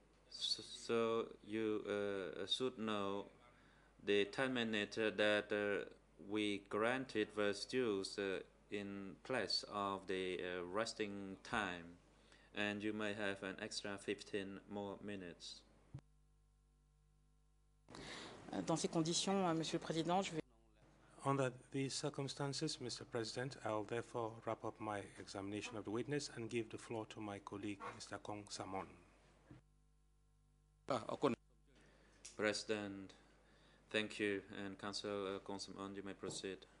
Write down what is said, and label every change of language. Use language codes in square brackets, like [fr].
[en] So you should know the 10-minute that we granted was used in place of the resting time. And you may have an extra 15 more minutes. [fr] Dans ces conditions, Monsieur le Président, je vais. [en] Under these circumstances, Mr. President, I'll therefore wrap up my examination of the witness and give the floor to my colleague, Mr. Kong Samon. President, thank you. And Councillor Kong Samon, you may proceed.